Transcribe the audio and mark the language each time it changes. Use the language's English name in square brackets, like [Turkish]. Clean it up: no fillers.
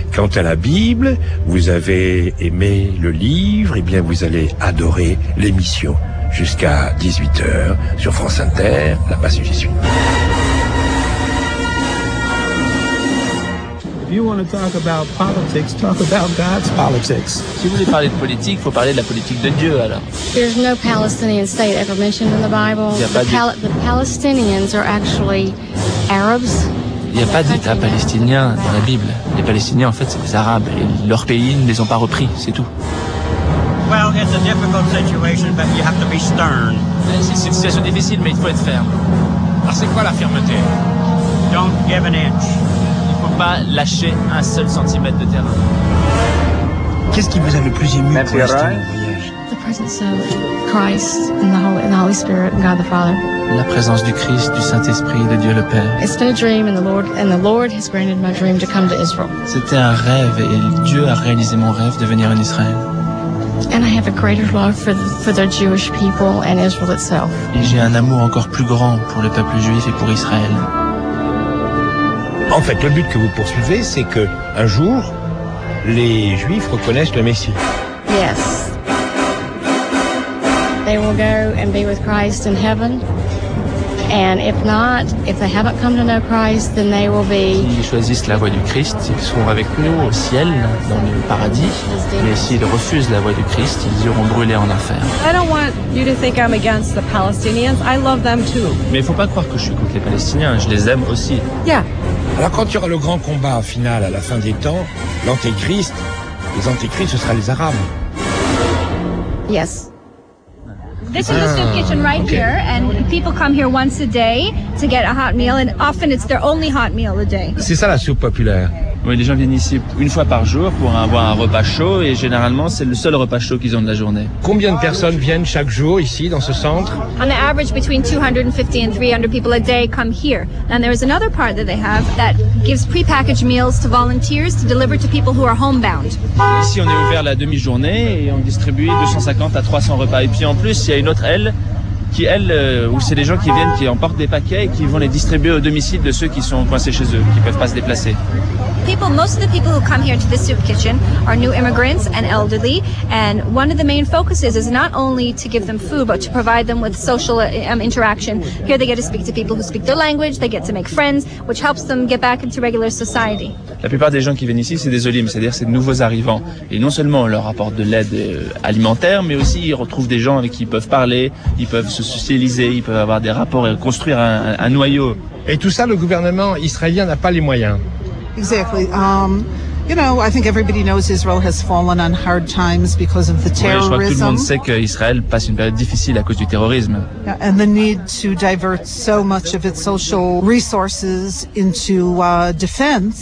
[French] Quant à la Bible, vous avez aimé le livre, et bien vous allez adorer l'émission jusqu'à 18h sur France Inter, la passion jésuite. Si vous voulez parler de politique, il faut parler de la politique de Dieu, alors. [English] There's no Palestinian state ever mentioned in the Bible. The Palestinians are actually Arabs. [French] Il n'y a pas d'État palestinien dans la Bible. Les Palestiniens, en fait, c'est des Arabes. Et leur pays ne les ont pas repris, c'est tout. [English] Well, it's a difficult situation, but you have to be stern. [French] C'est une situation difficile, mais il faut être ferme. Alors, c'est quoi la fermeté? [English] Don't give an inch. [French] Pas lâcher un seul centimètre de terrain. Qu'est-ce qui vous a le plus ému pour l'instant du voyage? [English] The presence of Christ and the Holy Spirit and God the Father. [French] La présence du Christ, du Saint-Esprit, de Dieu le Père. [English] It's been a dream and the Lord has granted my dream to come to Israel. [French] C'était un rêve et Dieu a réalisé mon rêve de venir en Israël. [English] And I have a greater love for the Jewish people and Israel itself. [French] Et j'ai un amour encore plus grand pour le peuple juif et pour Israël. En fait, le but que vous poursuivez, c'est que un jour, les Juifs reconnaissent le Messie. [English] Yes. They will go and be with Christ in heaven. And if not, if they haven't come to know Christ, then they will be. [French] S'ils choisissent la voie du Christ, ils seront avec nous au ciel, dans le paradis. Mais s'ils refusent la voie du Christ, ils iront brûler en enfer. [English] I don't want you to think I'm against the Palestinians. I love them too. [French] Mais il faut pas croire que je suis contre les Palestiniens. Je les aime aussi. [English] Yeah. [French] Alors quand il y aura le grand combat final à la fin des temps, l'antéchrist, les antéchrists, ce sera les Arabes. [English] Yes. This is a soup kitchen right here, and people come here once a day to get a hot meal, and often it's their only hot meal a day. [French] C'est ça la soupe populaire. Oui, les gens viennent ici une fois par jour pour avoir un repas chaud, et généralement c'est le seul repas chaud qu'ils ont de la journée. Combien de personnes viennent chaque jour ici dans ce centre? [English] On the average, between 250 and 300 people a day come here. And there is another part that they have that gives prepackaged meals to volunteers to deliver to people who are homebound. [French] Ici on est ouvert la demi-journée et on distribue 250 à 300 repas. Et puis en plus, il y a une autre aile qui, elle, où c'est les gens qui viennent, qui emportent des paquets et qui vont les distribuer au domicile de ceux qui sont coincés chez eux, qui ne peuvent pas se déplacer. [English] People, most of the people who come here to the soup kitchen are new immigrants and elderly, and one of the main focuses is not only to give them food but to provide them with social interaction. Here they get to speak to people who speak their language, they get to make friends, which helps them get back into regular society. [French] La plupart des gens qui viennent ici, c'est des olim, c'est-à-dire c'est de nouveaux arrivants. Et non seulement on leur apporte de l'aide alimentaire, mais aussi ils retrouvent des gens avec qui ils peuvent parler, ils peuvent se socialiser, ils peuvent avoir des rapports et construire un noyau. Et tout ça, le gouvernement israélien n'a pas les moyens. [English] Exactly. I think everybody knows Israel has fallen on hard times because of the terrorism. [French] Oui, je crois que tout le monde sait que Israël passe une période difficile à cause du terrorisme. [English] Yeah, and the need to divert so much of its social resources into defense.